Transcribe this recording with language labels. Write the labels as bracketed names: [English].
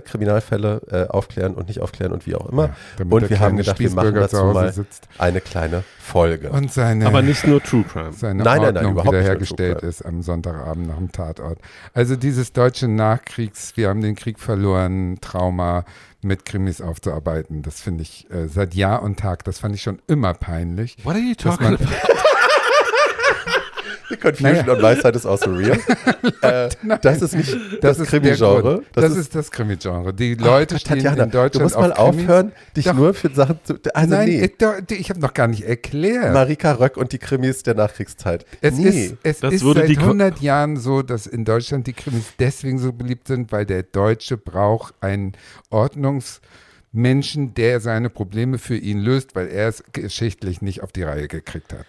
[German] Kriminalfälle aufklären und nicht aufklären und wie auch immer. Ja, und wir haben gedacht, wir machen dazu mal eine kleine Folge. Und seine, aber nicht nur True Crime. Seine Ordnung wiederhergestellt ist am Sonntagabend nach dem Tatort. Also dieses deutsche Nachkriegs, wir haben den Krieg verloren, Trauma mit Krimis aufzuarbeiten, das finde ich seit Jahr und Tag, das fand ich schon immer peinlich. [English] What are you talking about? Confusion on my side is also real. [German] das ist nicht das, das Krimi-Genre. Das ist das Krimi-Genre. Die Leute stehen in Deutschland auf Krimis. Du musst mal aufhören, dich nur für Sachen zu... Ich habe noch gar nicht erklärt. Marika Röck und die Krimis der Nachkriegszeit. Es ist seit 100 Jahren so, dass in Deutschland die Krimis deswegen so beliebt sind, weil der Deutsche braucht einen Ordnungsmenschen, der seine Probleme für ihn löst, weil er es geschichtlich nicht auf die Reihe gekriegt hat.